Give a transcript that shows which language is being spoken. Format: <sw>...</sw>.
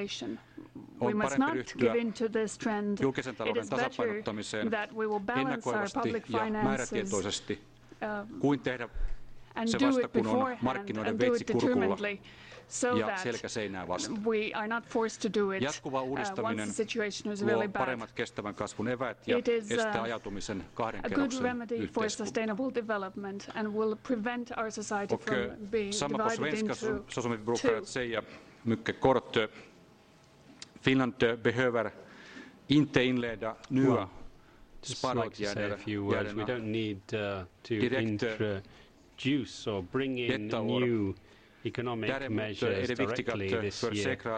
<fi>On parempi ryhtyä julkisen talouden tasapainottamiseen ennakoivasti ja määrätietoisesti kuin tehdä se vasta, kun on markkinoiden veitsi kurkulla ja selkä seinää vasten. Jatkuva uudistaminen luo paremmat kestävän kasvun eväät ja estää ajautumisen kahden kerroksen yhteiskunnan. Okei, sama kuin</fi> <sv>svenska, såsom vi brukar säga mycket kort. Finland behöver inte inleda nya sparåtgärder.</sv> <en>We don't need to introduce or bring in new economic measures directly this year.</en>